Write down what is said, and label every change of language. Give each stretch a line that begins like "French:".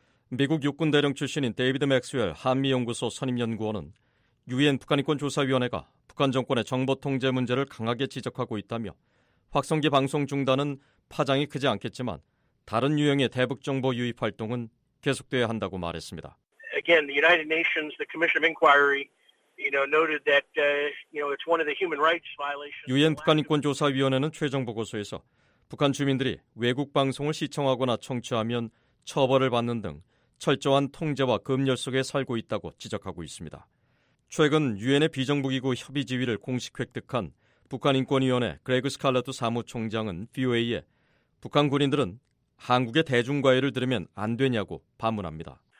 Korean: 미국 육군 대령 출신인 데이비드 맥스웰 한미연구소 선임연구원은 유엔 북한인권조사위원회가 북한 정권의 정보 통제 문제를 강하게 지적하고 있다며 확성기 방송 중단은 파장이 크지 않겠지만 다른 유형의 대북 정보 유입 활동은 계속돼야 한다고 말했습니다.
English: Again, the United Nations, the Commission of Inquiry, you know, noted that, you know, it's one of the human rights violations.
Korean: 유엔 북한인권조사위원회는 최종 보고서에서 북한 주민들이 외국 방송을 시청하거나 청취하면 처벌을 받는 등 철저한 통제와 검열 속에 살고 있다고 지적하고 있습니다. 최근 유엔의 비정부기구 협의 지위를 공식 획득한 북한인권위원회 그레그 스칼라드 사무총장은 VOA에 북한 군인들은 한국의 대중과외를 들으면 안 되냐고 반문합니다.